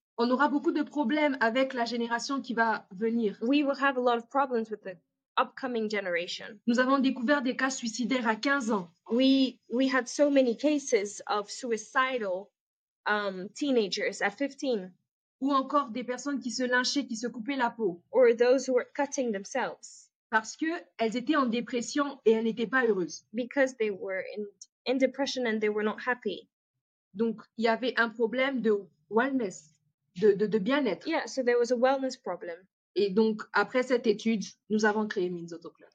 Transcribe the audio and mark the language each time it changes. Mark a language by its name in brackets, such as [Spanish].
[French] On aura beaucoup de problèmes avec la génération qui va venir. [English] We will have a lot of problems with the upcoming generation. [French] Nous avons découvert des cas suicidaires à 15 ans. [English] We had so many cases of suicidal teenagers at 15. [French] Ou encore des personnes qui se lynchaient, qui se coupaient la peau. [English] Or those who were cutting themselves. [French] Parce qu'elles étaient en dépression et elles n'étaient pas heureuses. [English] Because they were in depression and they were not happy. [French] Donc, il y avait un problème de wellness, de bien-être. [English] Yeah, so there was a wellness problem. [French] Et donc, après cette étude, nous avons créé Minzoto Club.